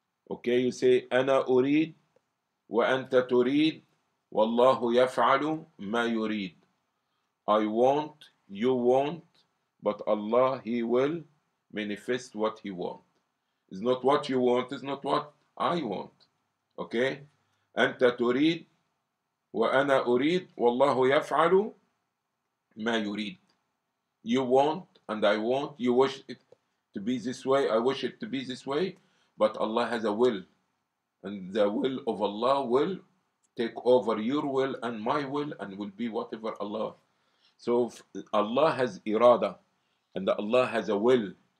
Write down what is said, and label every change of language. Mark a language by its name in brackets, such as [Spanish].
[English] Okay, you say, [Arabic] أَنَا أُرِيدُ وَأَنْتَ تُرِيدُ وَاللَّهُ يَفْعَلُ مَا يُرِيدُ. [English] I want, you want, but Allah, he will manifest what he want. It's not what you want, it's not what I want. Okay? [Arabic] أنت تريد وأنا أريد والله يفعل ما يريد. [English] You want and I want, you wish it, to be this way. I wish it to be this way, but Allah has a will, and the will of Allah will take over your will and my will, and will be whatever Allah. So Allah has irada, and Allah has a will.